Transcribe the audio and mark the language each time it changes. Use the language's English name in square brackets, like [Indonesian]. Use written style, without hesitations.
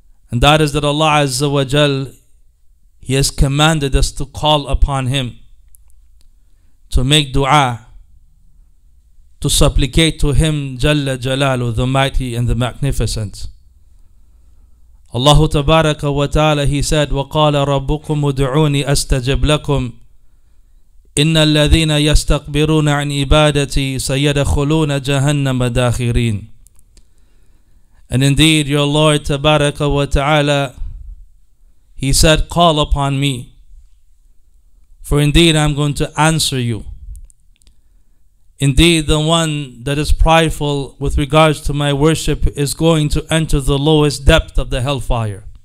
[English] And that is that Allah Azza wa Jal, He has commanded us to call upon Him, to make dua, to supplicate to Him Jalla Jalalu, the Mighty and the Magnificent. Allah Tabaraka wa Ta'ala, He said, [Arabic] وَقَالَ رَبُّكُمْ ادْعُونِي أَسْتَجِبْ لَكُمْ إِنَّ الَّذِينَ يَسْتَقْبِرُونَ عَنْ عِبَادَتِي سَيَدَخُلُونَ جَهَنَّمَ دَاخِرِينَ. [English] And indeed, your Lord Tabaraka wa Ta'ala, He said, call upon me, for indeed I'm going to answer you. Indeed, the one that is prideful with regards to my worship is going to enter the lowest depth of the hellfire.